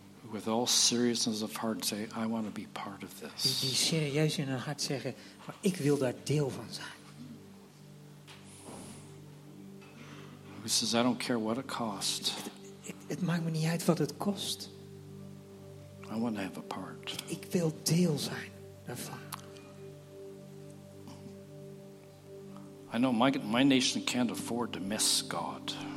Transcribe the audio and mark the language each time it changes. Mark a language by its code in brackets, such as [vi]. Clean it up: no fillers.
[en] With all seriousness of heart say, I want to be part of this. [nl] Die serieus in hun hart zeggen, maar ik wil daar deel van zijn. [en] He says, I don't care what it cost. [nl] Het maakt me niet uit wat het kost. [en] I want to have a part. [nl] Ik wil deel zijn daarvan. [en] I know my nation can't afford to miss God.